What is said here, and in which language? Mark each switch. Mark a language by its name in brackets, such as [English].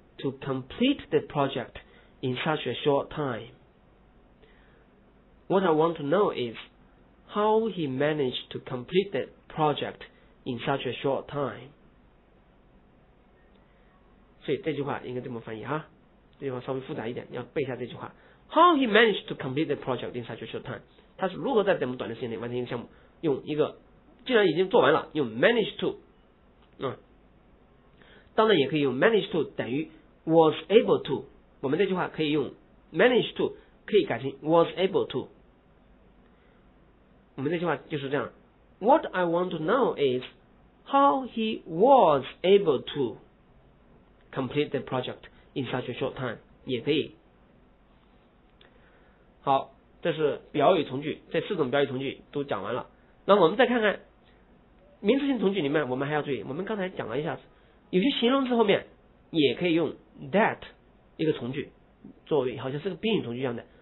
[English] to complete the project in such a short time. What I want to know is how he managed to complete the project in such a short time. [Chinese] 所以这句话应该这么翻译哈，这句话稍微复杂一点，你要背一下这句话。 [English] How he managed to complete the project in such a short time? [Chinese] 他是如何在这么短的时间内完成一个项目？用一个，既然已经做完了，用 manage to、当然也可以用 manage to 等于 was able to。我们这句话可以用 manage to 可以改成 was able to。我们这句话就是这样， [English] What I want to know is how he was able to complete the project in such a short time， [Chinese] 也可以。好，这是表语从句，这四种表语从句都讲完了。那我们再看看名词性从句里面，我们还要注意，我们刚才讲了一下，有些形容词后面也可以用 that 一个从句，作为好像是个宾语从句一样的。